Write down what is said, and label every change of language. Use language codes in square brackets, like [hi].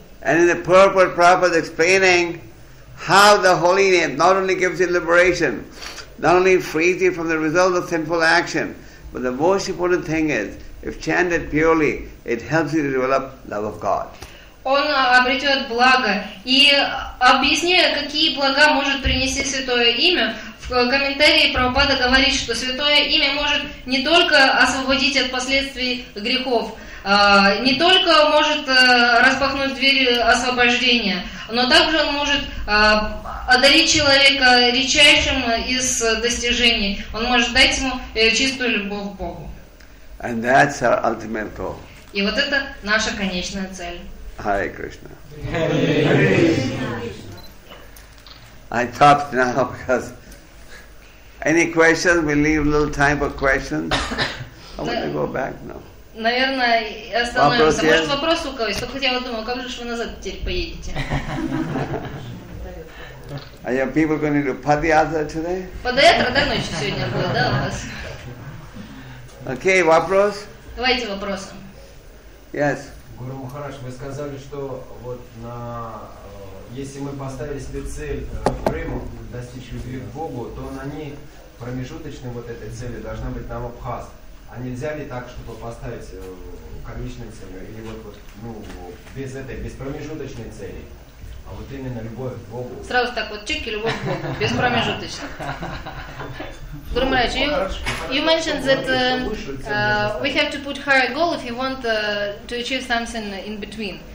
[en] And in the purport, Prabhupada explaining how the holy name not only gives you liberation, not only frees you from the result of sinful action, but the most important thing is, if chanted purely, it helps you to develop love of God. [ru] Он обретет благо. И объясняя, какие блага может принести святое имя, в комментарии Прабхупада говорит, что святое имя может не только освободить от последствий грехов, не только может распахнуть двери освобождения, но также он может одарить человека редчайшим из достижений. Он может дать ему чистую любовь к Богу. [en] And that's our ultimate goal. [ru] И вот это наша конечная цель. [en] Hare Krishna. I stopped now because any questions? We leave a little time for questions. I want to go back now. [ru] Наверное, остановимся. Может, вопрос у кого-то? Только я вот думаю, как же вы назад теперь поедете? [en] Are your people going to do padyatra today? [ru] Padyatra, да, ночью сегодня было, да, у вас? Okay, вопрос? Давайте вопросом. [en] Yes. [ru] Гуру Махарадж, вы сказали, что вот на если мы поставили себе цель прему достичь любви к Богу, то на ней промежуточной вот этой цели должна быть намабхаса. А нельзя ли так, чтобы поставить конечную цель? Или вот ну, без этой, без промежуточной цели? А вот именно любовь к Богу. Сразу так вот, чеки, любовь к Богу, без промежуточной. [en] Гуру Махарадж, you mentioned that we have to put higher goal if you want to achieve something in between.